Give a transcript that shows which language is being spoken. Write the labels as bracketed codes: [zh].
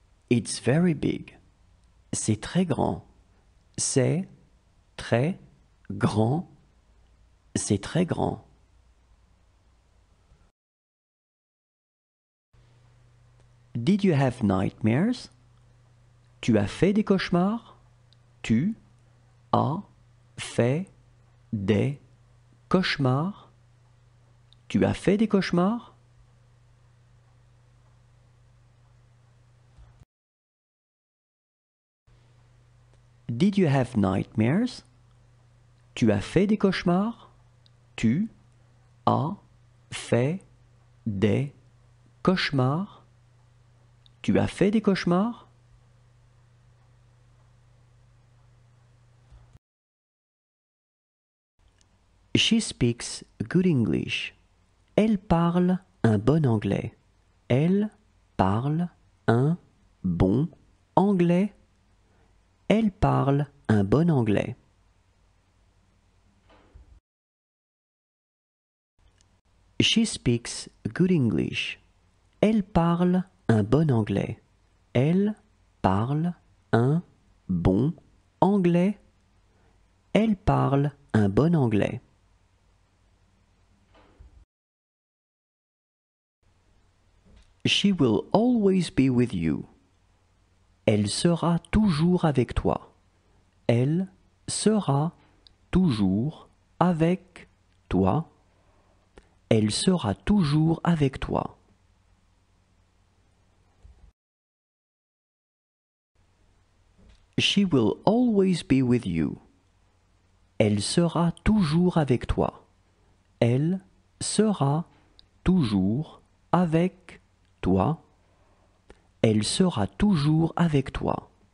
[en] It's very big. [fr] C'est très grand. C'est très grand. C'est très grand. [en] Did you have nightmares? [fr] Tu as fait des cauchemars? Tu as fait des cauchemars? Tu as fait des cauchemars? [en] Did you have nightmares? [fr] Tu as fait des cauchemars? Tu as fait des cauchemars? Tu as fait des cauchemars? [en] She speaks good English. [fr] Elle parle un bon anglais. Elle parle un bon anglais. Elle parle un bon anglais. [en] She speaks good English. [fr] Elle parle un bon anglais. Elle parle un bon anglais. Elle parle un bon anglais. [en] She will always be with you. [fr] Elle sera toujours avec toi. Elle sera toujours avec toi. Elle sera toujours avec toi. [en] She will always be with you. [fr] Elle sera toujours avec toi. Elle sera toujours avec toi. Elle sera toujours avec toi.